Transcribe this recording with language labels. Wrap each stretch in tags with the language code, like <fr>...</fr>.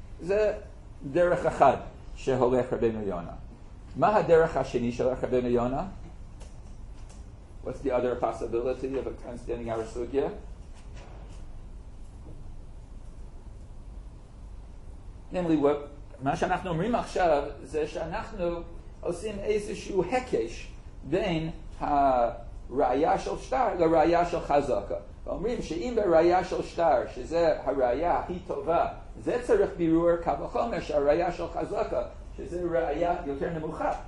<he>זה דרך אחד שהולך רבינו יונה. מה הדרך השני שהולך רבינו יונה?</he> <en>What's the other possibility of understanding our sugya? Namely, what,</en> <he>מה שאנחנו אומרים עכשיו זה שאנחנו עושים איזשהו הקש בין הראיה של שטר לראיה של חזקה. אומרים שאם בראיה של שטר, שזה הראיה הכי טובה, זה צריך בירור קו החומש, הראיה של חזקה, שזה ראיה יותר נמוכה.</he>